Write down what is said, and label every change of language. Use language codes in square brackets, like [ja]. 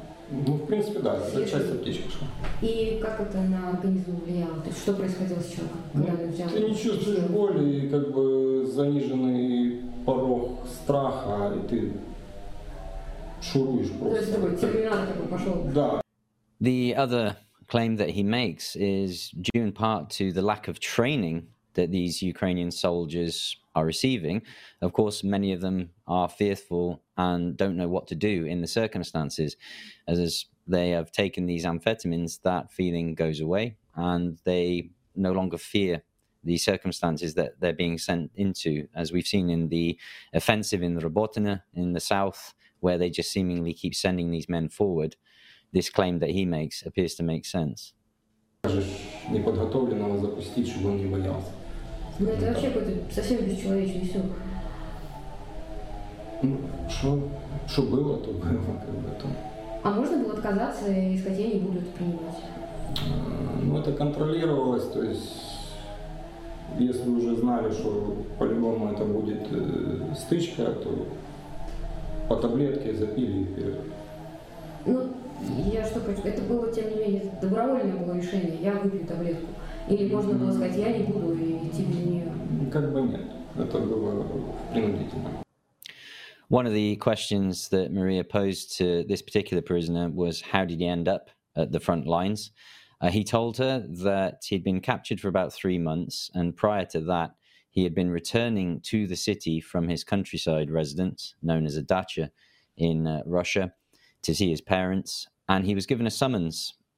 [ru] Ну, в принципе, да, это часть аптечки шла. И как это на организм влияло? То есть что происходило с человеком, когда он взял? Ты не чувствуешь боли, как бы заниженный порог страха, и ты шуруешь просто. То есть такой терминатор такой пошел? Да. [en] The other claim that he makes is due in part to the lack of training that these Ukrainian soldiers are receiving. Of course, many of them are fearful and don't know what to do in the circumstances. As they have taken these amphetamines, that feeling goes away and they no longer fear the circumstances that they're being sent into, as we've seen in the offensive in the Robotyna in the south, where they just seemingly keep sending these men forward. This claim that he makes appears to make sense. [ru] Неподготовленного запустить, чтобы он не боялся. Ну это вообще какой-то совсем бесчеловечный все. Ну, что было, то было об этом. А можно было отказаться и сказать, я не буду это принимать? Ну это контролировалось, то есть если уже знали, что по-любому это будет стычка, то по таблетке запили и вперед. Я что хочу? Это было, тем не менее, добровольное было решение, я выпью таблетку. Или можно было сказать, я не буду и идти без нее. Как бы нет. Это было принудительно. [en] One of the questions that Maria posed to this particular prisoner was, how did he end up at the front lines? He told her that he'd been captured for about 3 months, and prior to that, he had been returning to the city from his countryside residence, known as a dacha in Russia, to see his parents, and he was given a summons.